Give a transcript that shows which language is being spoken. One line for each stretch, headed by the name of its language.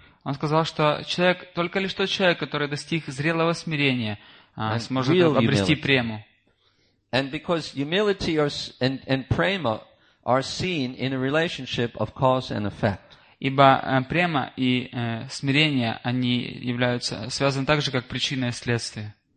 Russian: Он сказал, что человек, только лишь тот человек, который достиг зрелого смирения, сможет обрести прему.
English: And because humility and prema are seen in a relationship of cause and effect.
Russian: Ибо према и смирение, они являются связаны так же, как причина и следствие.